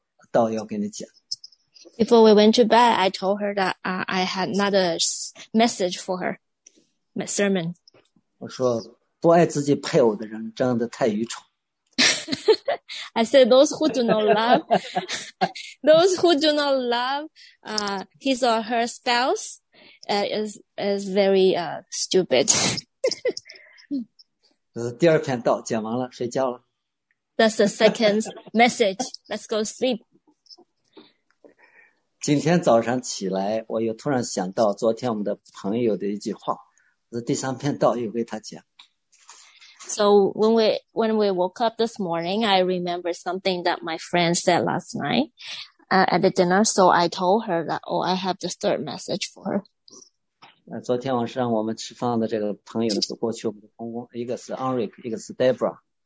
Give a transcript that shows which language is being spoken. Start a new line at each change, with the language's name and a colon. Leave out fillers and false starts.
Chinese: 快要睡觉的时候，我说还有另一篇道要跟你讲。
English: Before we went to bed, I told her that I had another message for her, my sermon.
Chinese: 我说。不爱自己配偶的人真的太愚蠢。
English: I said those who do not love those who do not love his or her spouse is very stupid.
Chinese: 第二篇道讲完了，睡觉了。
English: That's the second message. Let's go sleep.
Chinese: 今天早上起来，我又突然想到昨天我们的朋友的一句话，这第三篇道又给他讲。
English: So when we woke up this morning, I remember something that my friend said last night at the dinner. So I told her that, oh, I have the third message for her.
Chinese: 昨天晚上我们吃饭的这个朋友的过去，我们的公公，一个是Enric，一个是Debra.